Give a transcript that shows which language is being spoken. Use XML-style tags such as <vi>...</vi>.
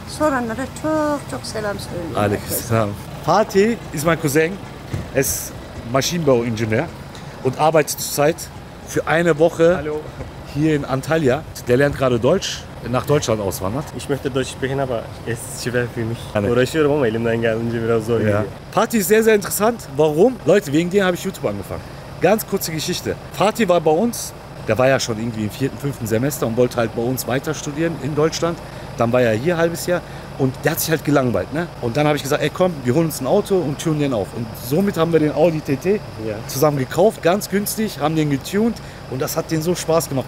<tr>Soranlara çok çok selam söylüyorum.</tr> <de>Aleykümselam. Fatih ist mein Cousin. Er ist Maschinenbauingenieur und arbeitet zurzeit für eine Woche hier in Antalya. Der lernt gerade Deutsch, nach Deutschland auswandert. Ich möchte Deutsch sprechen, aber es ist schwer für mich.</de> <tr>Uğraşıyorum ama elimden geldiğince biraz zor geliyor.</tr> <de>Fatih ist sehr, sehr interessant. Warum? Leute, wegen dir habe ich YouTube angefangen. Ganz kurze Geschichte. Fatih war bei uns, der war ja schon irgendwie im 4., 5. Semester und wollte halt bei uns weiter studieren in Deutschland. Dann war er hier ein halbes Jahr und der hat sich halt gelangweilt. Ne? Und dann habe ich gesagt, ey komm, wir holen uns ein Auto und tunen den auf. Und somit haben wir den Audi TT zusammen gekauft, ganz günstig, haben den getunt und das hat den so Spaß gemacht.</de>